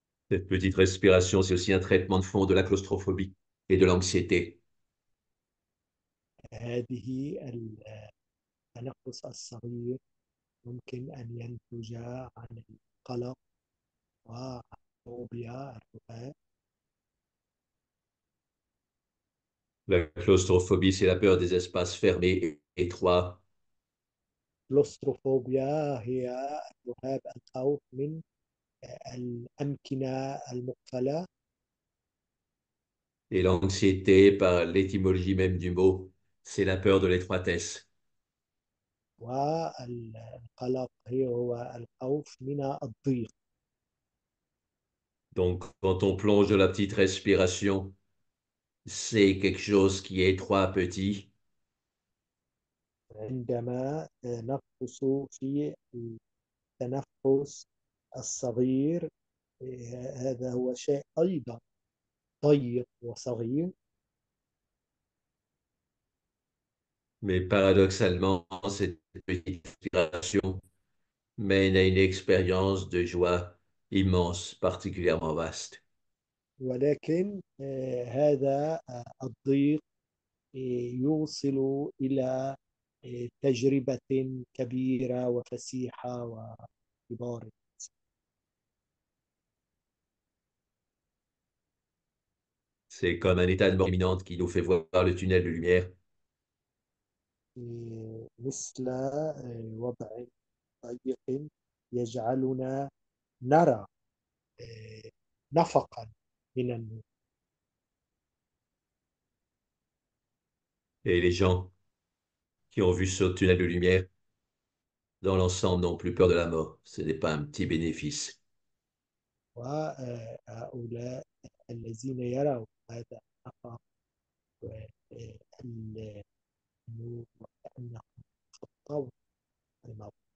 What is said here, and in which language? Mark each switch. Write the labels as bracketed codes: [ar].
[fr] Cette petite respiration, c'est aussi un traitement de fond de la claustrophobie et de l'anxiété. [ar] هذه التنفس الصغير ممكن أن ينتج عن القلق وعن الفوبيا الرهاب. [fr] La claustrophobie, c'est la peur des espaces fermés et étroits. [ar] كلوستروفوبيا هي الرهاب الخوف من الأمكنة المقفلة. [fr] Et l'anxiété, par l'étymologie même du mot, c'est la peur de l'étroitesse. [ar] والقلق هو الخوف من الضيق. [fr] Donc, quand on plonge de la petite respiration, c'est quelque chose qui est étroit, petit. [ar] عندما نفحص في التنفس الصغير هذا هو شيء أيضا ضيق وصغير. [fr] Mais paradoxalement, cette petite respiration mène à une expérience de joie immense, particulièrement vaste. [ar] ولكن هذا الضيق يوصل إلى تجربة كبيرة وفسيحة وكبار. [fr] C'est comme un état de mort imminente qui nous fait voir le tunnel de lumière. [ar] مثل وضع ضيق يجعلنا نرى نفقا من النور. [fr] Et les gens qui ont vu ce tunnel de lumière, dans l'ensemble, n'ont plus peur de la mort. Ce n'est pas un petit bénéfice. [ar] وهؤلاء الذين يروا هذا النفق النور وكأنهم خطوا الموت.